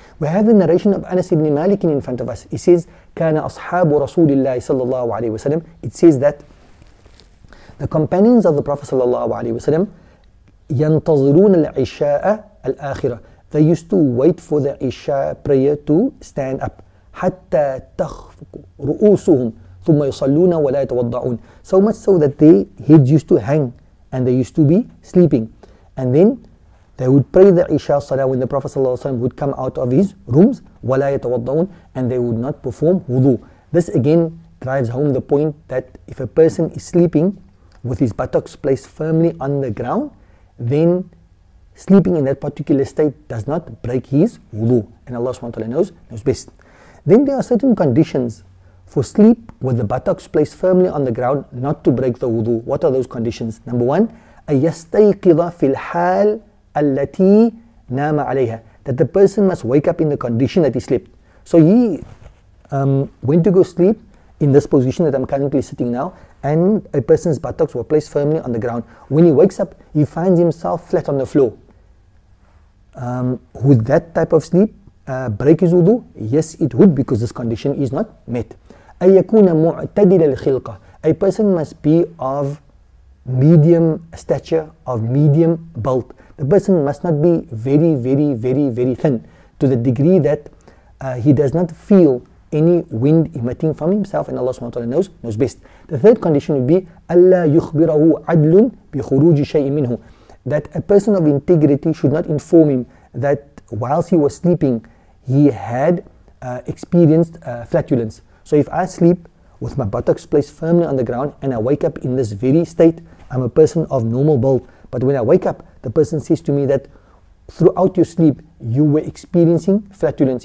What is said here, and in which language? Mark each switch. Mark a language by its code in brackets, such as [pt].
[en] We have the narration of Anas ibn Malik in front of us. He says, [ar] "Kana ashabu Rasulillah sallallahu alayhi wasallam." [en] It says that the companions of the Prophet sallallahu alayhi wasallam, [ar] ينتظرون العشاء الآخرة. [en] They used to wait for the عشاء prayer to stand up. [ar] حتى تخفق رؤوسهم ثم يصلون ولا يتوضعون. [en] So much so that their heads used to hang and they used to be sleeping. And then they would pray the Isha Salah when the Prophet ﷺ would come out of his rooms, [ar] وَلَا يَتَوَضَّعُونَ, [en] and they would not perform wudu. This again drives home the point that if a person is sleeping with his buttocks placed firmly on the ground, then sleeping in that particular state does not break his wudu. And Allah subhanahu wa ta'ala knows best. Then there are certain conditions for sleep with the buttocks placed firmly on the ground not to break the wudu. What are those conditions? Number one, [ar] أَيَسْتَيْقِضَ فِي الْحَالِ الَّتِي نَامَ عَلَيْهَا. [en] That the person must wake up in the condition that he slept. So he went to go sleep in this position that I'm currently sitting now, and a person's buttocks were placed firmly on the ground. When he wakes up, he finds himself flat on the floor. Would that type of sleep break his wudu? Yes, it would, because this condition is not met. [ar] أَيَكُونَ مُعْتَدِلَ الْخِلْقَ. [en] A person must be of medium stature, of medium bulk. The person must not be very, very, very, very thin to the degree that he does not feel any wind emitting from himself, and Allah subhanahu wa ta'ala knows best. The third condition would be [ar] أَلَّا يُخْبِرَهُ عَدْلٌ بِخُرُوجِ شَيْءٍ مِّنْهُ. [en] That a person of integrity should not inform him that whilst he was sleeping, he had experienced flatulence. So if I sleep with my buttocks placed firmly on the ground and I wake up in this very state, I'm a person of normal build. But when I wake up, the person says to me that throughout your sleep, you were experiencing flatulence.